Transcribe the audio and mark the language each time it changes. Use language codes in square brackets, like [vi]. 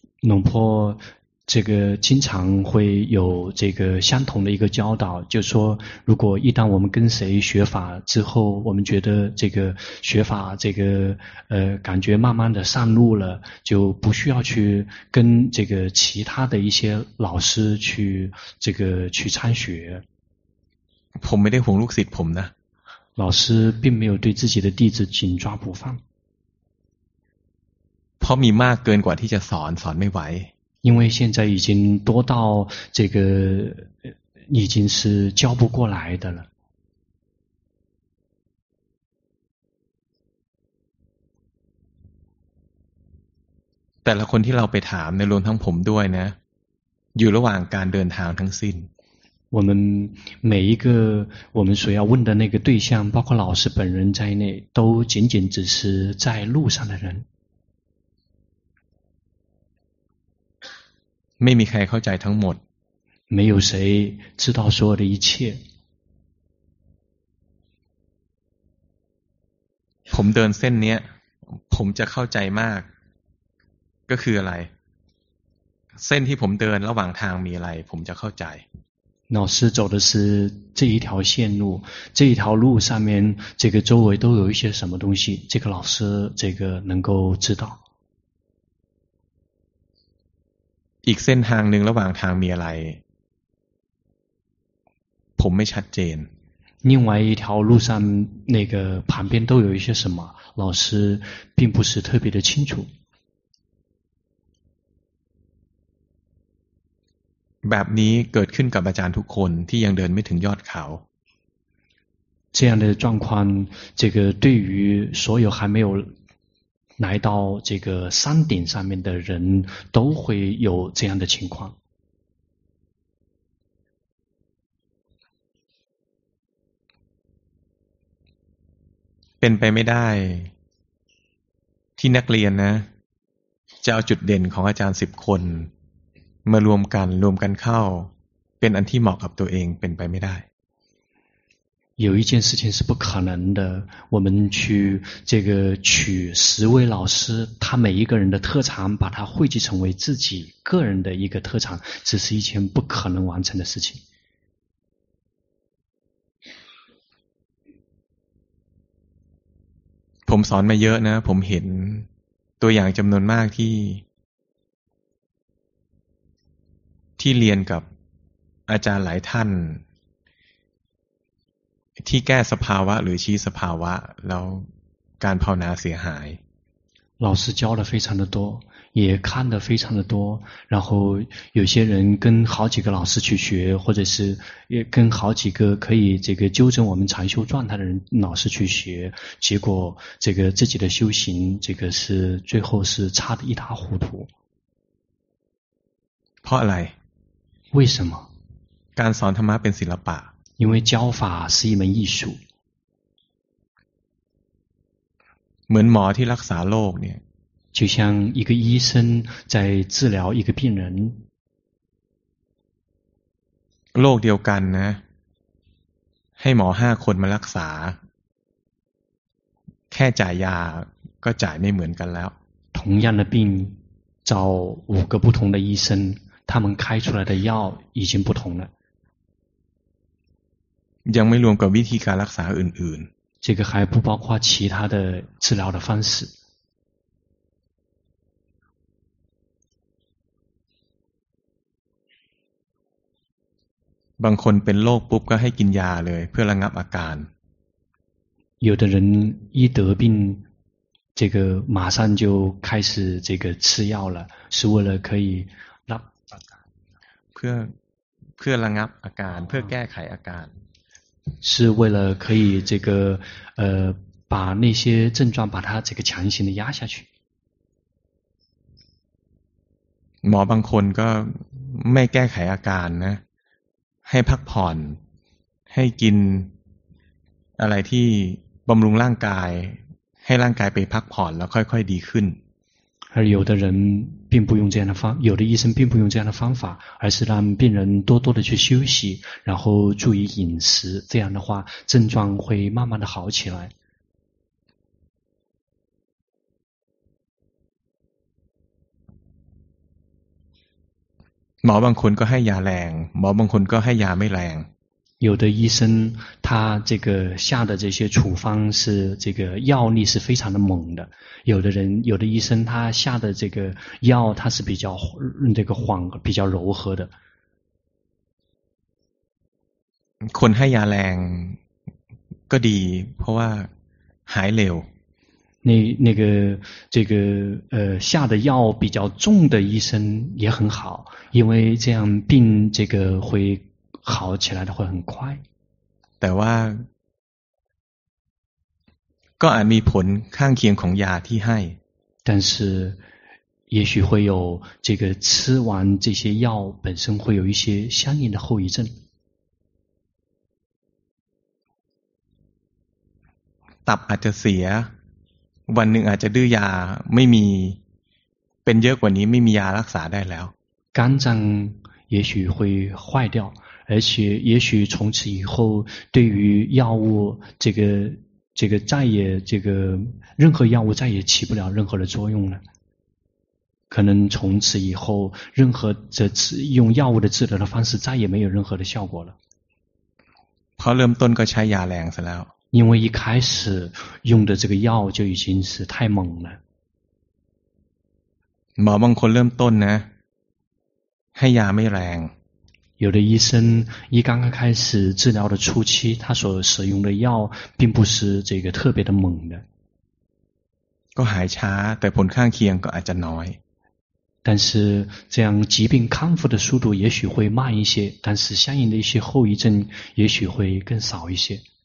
[zh] 龙婆这个经常会有这个相同的一个教导，就是说如果一旦我们跟谁学法之后，我们觉得这个学法这个感觉慢慢的上路了，就不需要去跟这个其他的一些老师去这个去参学。 [th] ผมไม่ได้ห่วงลูกศิษย์ผมนะ [zh] 老师并没有对自己的弟子紧抓不放。 [th] เพราะมีมากเกินกว่าที่จะสอนสอนไม่ไหว [zh] 因为现在已经多到这个已经是教不过来的了 [th] แต่ละคนที่เราไปถามในรวมทั้งผมด้วยนะอยู่ระหว่างการเดินทางทั้งสิ้น [zh] 我们每一个我们所要问的那个对象包括老师本人在内都仅仅只是在路上的人 [th] ไม่มีใครเข้าใจทั้งหมด [zh] 没有谁知道所有的一切 [th] ผมเดินเส้นเนี้ยผมจะเข้าใจมากก็คืออะไรเส้นที่ผมเดินระหว่างทางมีอะไรผมจะเข้าใจ [zh] 老师走的是这一条线路这一条路上面这个周围都有一些什么东西这个老师这个能够知道 [th] อีกเส้นทางหนึ่งระหว่างทางมีอะไรผมไม่ชัดเจน [zh] 另外一条路上那个旁边都有一些什么老师并不是特别的清楚 [th] แบบนี้เกิดขึ้นกับอาจารย์ทุกคนที่ยังเดินไม่ถึงยอดเขา [zh] 这样的状况这个对于所有还没有来到这个山顶上面的人都会有这样的情况 [th] เป็นไปไม่ได้ที่นักเรียนนะจะเอาจุดเด่นของอาจารย์สิบคนมารวมกันเข้าเป็นอันที่เหมาะกับตัวเองเป็นไปไม่ได้ [zh] 有一件事情是不可能的，我们去这个取十位老师，他每一个人的特长，把它汇集成为自己个人的一个特长，这是一件不可能完成的事情。 [th] ผมสอนมาเยอะนะ ผมเห็นตัวอย่างจำนวนมากที่เรียนกับอาจารย์หลายท่านที่แก้สภาวะหรือชี้สภาวะแล้วการภาวนาเสียหาย [zh] 老师教的非常的多也看的非常的多然后有些人跟好几个老师去学或者是也跟好几个可以这个纠正我们禅修状态的人老师去学结果这个自己的修行这个是最后是差的一塌糊涂 [th] เพราะอะไร [zh] 为什么 [th] การสอนธรรมะเป็นศิลปะ [zh] 因为教法是一门艺术 [th] เหมือนหมอที่รักษาโรคเนี่ย [zh] 就像一个医生在治疗一个病人 [th] โรคเดียวกันนะให้หมอ5คนมารักษาแค่จ่ายยาก็จ่ายไม่เหมือนกันแล้ว [zh] 同样的病找五个不同的医生他们开出来的药已经不同了 [th] ยังไม่รวมกับวิธีการรักษาอื่น [zh] ๆ这个还不包括其他的治疗的方式 [th] บางคนเป็นโรคปุ๊บก็ให้กินยาเลยเพื่อระงับอาการ [zh] 有的人一得病这个马上就开始这个吃药了是为了可以 [th] รับอาการ เพื่อระงับอาการเพื่อแก้ไขอาการ [zh] 是为了可以这个把那些症状把它这个强行的压下去。 [th] หมอบางคนก็ไม่แก้ไขอาการนะให้พักผ่อนให้กินอะไรที่บำรุงร่างกายให้ร่างกายไปพักผ่อนแล้วค่อยๆดีขึ้น [zh] 而有的人并不用这样的方有的医生并不用这样的方法而是让病人多多的去休息然后注意饮食这样的话症状会慢慢的好起来 [th] หมอบางคนก็ให้ยาแรงหมอบางคนก็ให้ยาไม่แรง [zh] 有的医生他这个下的这些处方是这个药力是非常的猛的有的人有的医生他下的这个药他是比较这个缓比较柔和的 [th] คนให้ยาแรงก็ดีเพราะว่าหายเร็ว [zh] 那个这个下的药比较重的医生也很好因为这样病这个会好起来的会很快 [th] แต่ว่าก็อาจมีผลข้างเคียงของยาที่ให้ [zh] 但是也许会有这个吃完这些药本身会有一些相应的后遗症 [th] ตับอาจจะเสียวันหนึ่งอาจจะดื้อยาไม่มีเป็นเยอะกว่านี้ไม่มียารักษาได้แล้ว [zh] 肝脏也许会坏掉而且也许从此以后对于药物这个再也这个任何药物再也起不了任何的作用了可能从此以后任何这次用药物的治疗的方式再也没有任何的效果了 [th] พอเริ่มต้นก็ใช้ยาแรงซะแล้ว [zh] 因为一开始用的这个药就已经是太猛了 [th] หมอบางคนเริ่มต้นนะให้ยาไม่แรง [zh] 有的医生一刚刚开始治疗的初期他所使用的药并不是这个特别的猛的 [th] ก็หายช้าแต่ผลข้างเคียงก็อาจจะน้อย [zh] 但是这样疾病康复的速度也许会慢一些但是相应的一些后遗症也许会更少一些